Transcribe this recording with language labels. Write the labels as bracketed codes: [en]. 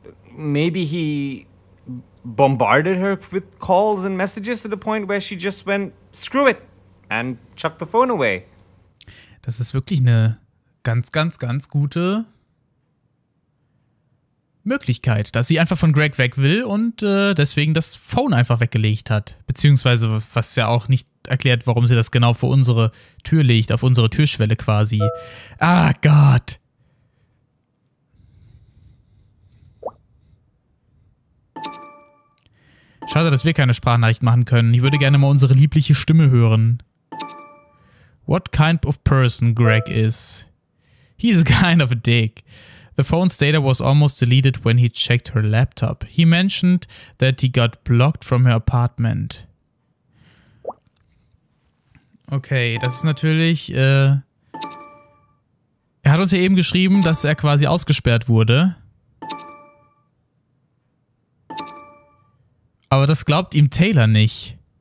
[en] Maybe he bombarded her with calls and messages to the point where she just went, screw it, and chucked the phone away. [de] Das ist wirklich eine ganz, ganz, ganz gute Möglichkeit, dass sie einfach von Greg weg will und deswegen das Phone einfach weggelegt hat. Beziehungsweise, was ja auch nicht erklärt, warum sie das genau vor unsere Tür legt, auf unsere Türschwelle quasi. Ah, Gott. Schade, dass wir keine Sprachnachricht machen können. Ich würde gerne mal unsere liebliche Stimme hören. [en] What kind of person Greg is? He's kind of a dick. The phone's data was almost deleted when he checked her laptop. He mentioned that he got blocked from her apartment. [de] Okay, das ist natürlich, er hat uns ja eben geschrieben, dass er quasi ausgesperrt wurde. Aber das glaubt ihm Taylor nicht.